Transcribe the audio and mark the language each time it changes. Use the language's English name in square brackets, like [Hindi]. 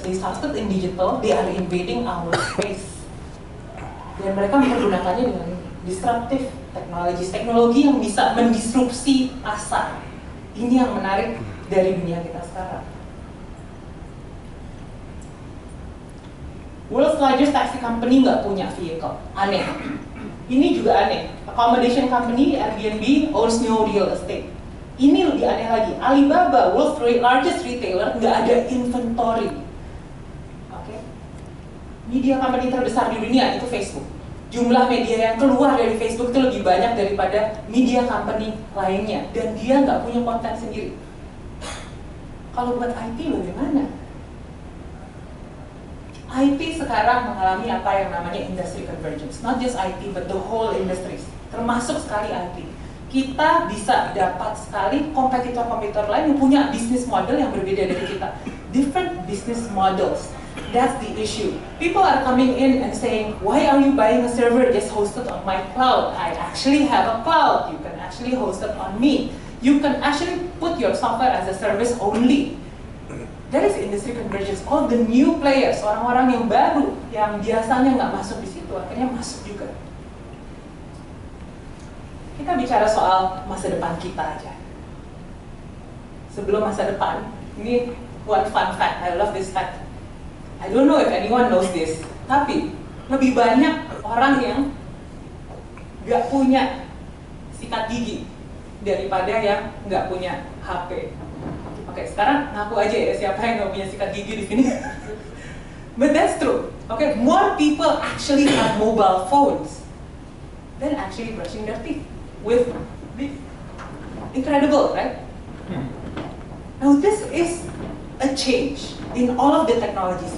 [English] They started in digital, they are invading our space. [Indonesian] Dan mereka menggunakannya dengan disruptive technologies, teknologi yang bisa mendisrupsi pasar. Ini yang menarik dari dunia kita sekarang. [English] World's largest taxi company [Indonesian] nggak punya vehicle. Aneh. Ini juga aneh. [English] Accommodation company, Airbnb, owns new real estate. [Indonesian] Ini lebih aneh lagi. [English] Alibaba, world's largest retailer, [Indonesian] nggak ada [English] inventory. Okay. [Indonesian] Media company terbesar di dunia itu Facebook. Jumlah media yang keluar dari Facebook itu lebih banyak daripada media company lainnya. Dan dia nggak punya konten sendiri. Kalau buat IT bagaimana? IT sekarang mengalami apa yang namanya industry convergence. [English] Not just IT, but the whole industries. [Indonesian] Termasuk sekali IT. Kita bisa dapat sekali kompetitor-kompetitor lain yang punya business model yang berbeda dari kita. [English] Different business models. That's the issue. People are coming in and saying, why are you buying a server just hosted on my cloud? I actually have a cloud. You can actually host it on me. You can actually put your software as a service only. That is industry convergence. All the new players, [Indonesian] orang-orang yang baru, yang biasanya nggak masuk di situ, akhirnya masuk juga. Okay. kita bicara soal masa depan kita aja. Sebelum masa depan, ini [English] one fun fact, I love this fact. I don't know if anyone knows this, [Indonesian] tapi lebih banyak orang yang gak punya sikat gigi daripada yang gak punya HP. Oke, sekarang ngaku aja ya siapa yang gak punya sikat gigi di sini. [English] But that's true. Okay, more people actually have mobile phones than actually brushing their teeth with this. Incredible, right? Now this is a change in all of the technologies.